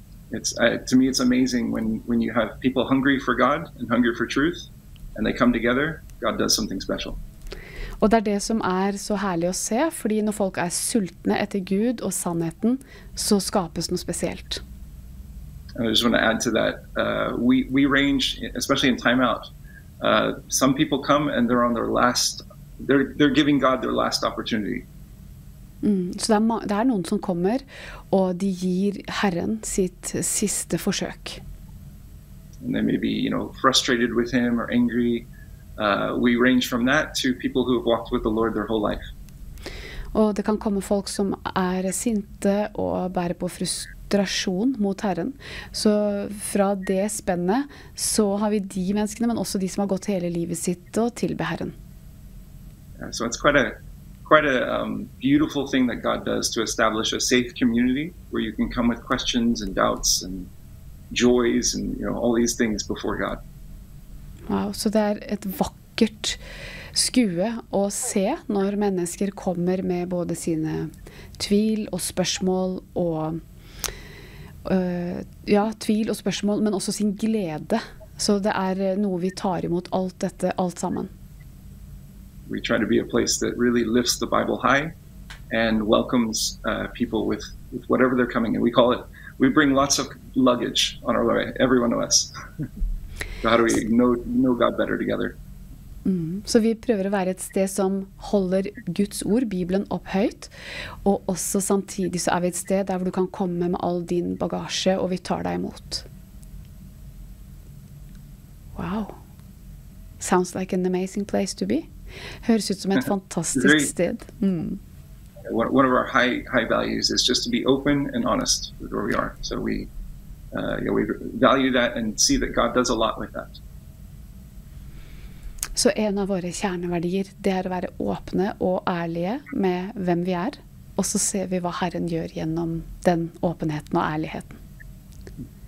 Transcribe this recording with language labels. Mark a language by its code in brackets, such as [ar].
[en] It's to me it's amazing when you have people hungry for God and hungry for truth and they come together, God does something special. [no] Og det er det som er så herlig å se, fordi når folk er sultne etter Gud og sannheten, så skapes noe spesielt. [en] And I just want to add to that, we range especially in Time Out. Some people come and they're on their last, they're giving God their last opportunity. [no] Så det er noen som kommer og de gir Herren sitt siste forsøk. [en] And they may be, you know, frustrated with him or angry. We range from that to people who have walked with the Lord their whole life. [no] Og det kan komme folk som er sinte og bærer på frustrasjon mot Herren. Så fra det spennet så har vi de menneskene, men også de som har gått hele livet sitt og tilbe Herren. Så det er [en] quite a beautiful thing that God does to establish a safe community where you can come with questions and doubts and joys and, you know, all these things before God. [no] Wow, så det er et vakkert skue å se når mennesker kommer med både sine tvil og spørsmål og tvil og spørsmål, men også sin glede. Så det er noe vi tar imot alt dette, alt sammen. [en] We try to be a place that really lifts the Bible high and welcomes people with whatever they're coming in. We call it, we bring lots of luggage on our way, every one of us. So how do we know God better together? [no] Så vi prøver å være et sted som holder Guds ord, Bibelen, opp høyt, og også samtidig så er vi et sted der hvor du kan komme med all din bagasje, og vi tar deg imot. [en] Wow. Sounds like an amazing place to be. [no] Høres ut som et fantastisk sted. Mm. [en] One of our high values is just to be open and honest with where we are. So we value that and see that God does a lot with that. [no] Så en av våre kjerneverdier, det er å være åpne og ærlige med hvem vi er, og så ser vi hva Herren gjør gjennom den åpenheten og ærligheten.